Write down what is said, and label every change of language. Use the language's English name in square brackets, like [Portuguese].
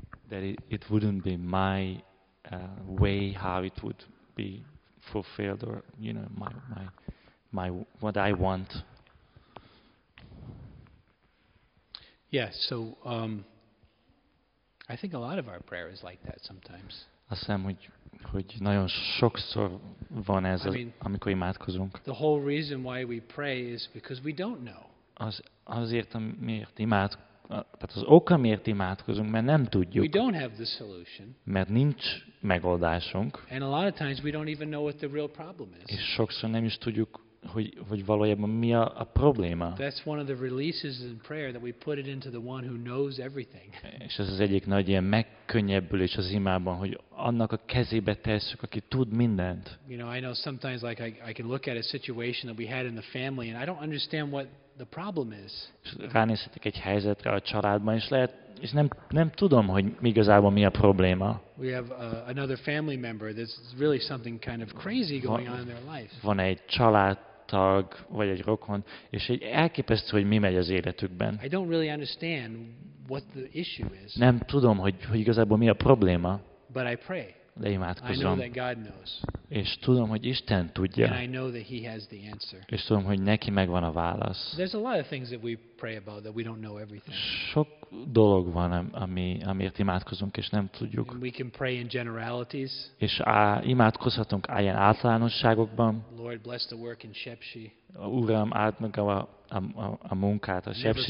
[English] That it wouldn't be my way how it would be fulfilled or you know my what I want. Yeah, so I think a lot of our prayer is like that sometimes. [Hungarian] Azt hiszem, hogy nagyon sokszor van ez, amikor imádkozunk. [English] The whole reason why we pray is because we don't know. [Hungarian] Az oka, miért imádkozunk, mert nem tudjuk. [English] We don't have the solution. [Hungarian] Mert nincs megoldásunk. [English] And a lot of times we don't even know what the real problem is. [Hungarian] És sokszor nem is tudjuk. Hogy valójában mi a probléma. [English] That's one of the releases in prayer that we put it into the one who knows everything. [Hungarian] És ez az egyik nagy ilyen megkönnyebbülés az imában, hogy annak a kezébe tesszük, aki tud mindent. [English] You know, I know sometimes like I can look at a situation that we had in the family and I don't understand what the problem is. [Hungarian] Ránézhetek egy helyzetre a családban, és nem tudom, hogy igazából mi a probléma. [English] We have another family member. There's really something kind of crazy going on in their life. [Hungarian] Van egy családtag vagy egy rokon, és egy elképesztő, hogy mi megy az életükben. [English] I don't really understand what the issue is. [Hungarian] Nem tudom, hogy igazából mi a probléma. [English] But I pray. [Hungarian] De imádkozom. [English] I know that God knows. [Hungarian] És tudom, hogy Isten tudja. [English] And I know that he has the answer. [Hungarian] És tudom, hogy neki megvan a válasz. [English] There's a lot of things that we pray about that we don't know everything. [Hungarian] Sok dolog van, amiért imádkozunk, és nem tudjuk. [English] And we can pray in generalities. [Hungarian] És imádkozhatunk ilyen általánosságokban. [English] Lord, bless the work in Shepshi. [Hungarian] Uram, áld meg a munkát, a Shepshi